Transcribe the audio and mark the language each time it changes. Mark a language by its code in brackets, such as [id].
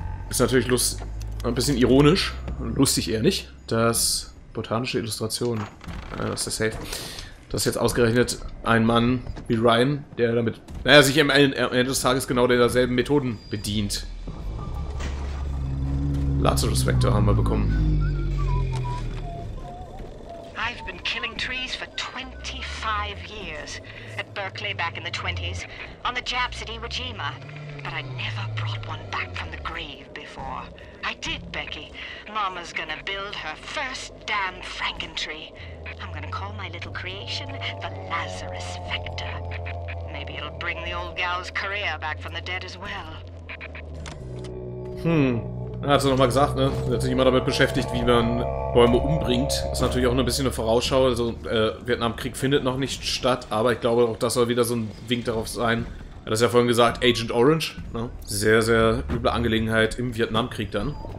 [de] Ist natürlich ein bisschen ironisch, lustig eher nicht, dass botanische Illustrationen, das ist ja safe, dass jetzt ausgerechnet ein Mann wie Ryan, der damit, naja, sich am Ende des Tages genau derselben Methoden bedient. Lazarus Vector haben wir bekommen. [en] I've been killing trees for 25 years. At Berkeley back in the 20s, on the Japs at Iwo Jima. But I never brought one back from the grave before. I did, Becky. Mama's gonna build her first damn Franken tree. I'm gonna call my little creation the Lazarus Vector. Maybe it'll bring the old gal's career back from the dead as well. [de] Hat sie nochmal gesagt, ne? Sie hat sich immer damit beschäftigt, wie man Bäume umbringt. Das ist natürlich auch ein bisschen eine Vorausschau. Also, Vietnamkrieg findet noch nicht statt, aber ich glaube, auch das soll wieder so ein Wink darauf sein. Er hat es ja vorhin gesagt, Agent Orange, ne? Sehr, sehr üble Angelegenheit im Vietnamkrieg dann.